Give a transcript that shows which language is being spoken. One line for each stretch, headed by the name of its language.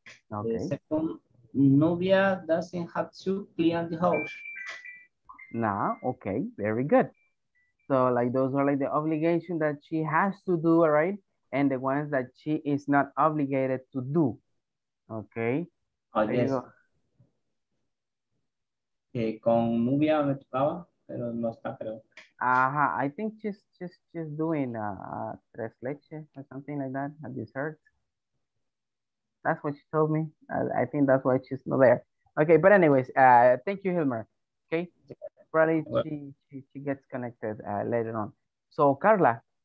English: The second, Nubia doesn't have to clean the house. Nah, okay, very good. So like those are like the obligation that she has to do, all right? And the ones that she is not obligated to do. Okay. Oh, yes.
Spanish: Con Nubia me tocaba, pero no está, creo.
English: Ajá, I think she's doing tres leches or something like that, a dessert. That's what she told me. I think that's why she's not there. Okay, but anyways, thank you, Hilmar. Okay. Probably she gets connected later on. So, Carla.